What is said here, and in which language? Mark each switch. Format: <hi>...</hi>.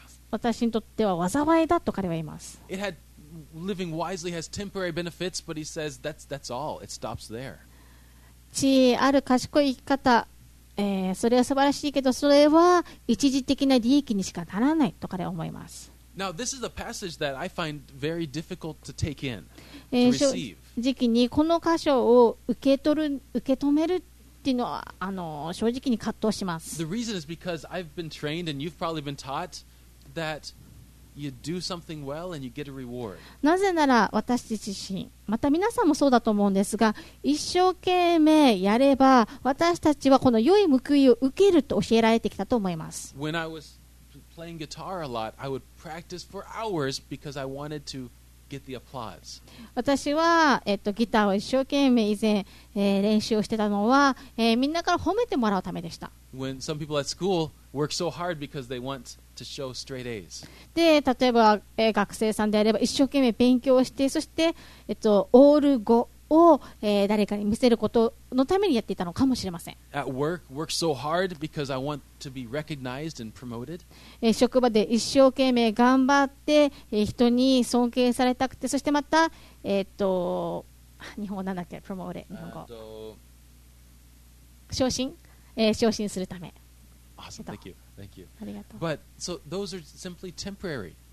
<ja>私にとっては災いだと彼は言います。</ja> <en>It had living wisely has temporary benefits, but he says that's all. It stops there.</en> <ja>知恵ある賢い生き方、それは素晴らしいけど、それは一時的な利益にしかならないと彼は思います。</ja> <en>Now this is a passage that I find very difficult to take in to receive.</en> <ja>時期にこの箇所を受け止めるっていうのは正直に葛藤します。</ja> <en>The reason is because I've been trained and you've probably been taught that you do something well and you get a reward.</en> <ja>なぜなら私自身、また皆さんもそうだと思うんですが、一生懸命やれば私たちはこの良い報いを受けると教えられてきたと思います。</ja> <en>When I was playing guitar a lot, I would practice for hours because I wanted to. Get the applause.</en> <ja>私は、ギターを一生懸命以前、練習をしてたのは、みんなから褒めてもらうためでした。</ja> <en>When some people at school work so hard because they want to show straight A's.</en> <ja>で、例えば、学生さんであれば一生懸命勉強をして、そして、オール5を、誰かに見せることのためにやっていたのかもしれません。</ja> <en>At work, work so hard because I want to be recognized and promoted.</en> <ja>職場で一生懸命頑張って、人に尊敬されたくて、そしてまた、日本語なんだっけ、promote 日本語。昇進、昇進するため。</ja> <en>Awesome. Thank you. Thank you.</en> <ja>ありがとう。</ja> <en>But so those are simply temporary.</en>